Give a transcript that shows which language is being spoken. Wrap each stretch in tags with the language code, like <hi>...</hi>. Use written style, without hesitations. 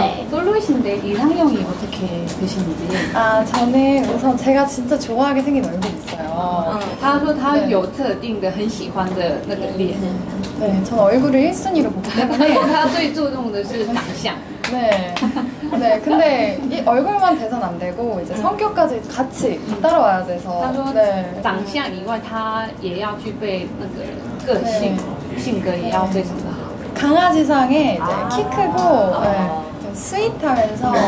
<ko>로이신데 이상형이 어떻게 되시는지? 아 저는 우선 제가 진짜 좋아하게 생긴 얼굴이 있어요.</ko> <zh>他说他有特定的很喜欢的那个脸。</zh> <ko>네, 저는 얼굴을 1순위로 보고 있는데</ko> <zh>他最注重的是长相.</zh> <ko>네, 근데 이 얼굴만 돼선 안 되고 이제 성격까지 같이 따라와야 돼서. 네.</ko> <zh>长相以外，他也要具备那个个性，性格也要非常的好.</zh> <ko>강아지상에 이제 키 크고 네, 스윗하면서.</ko>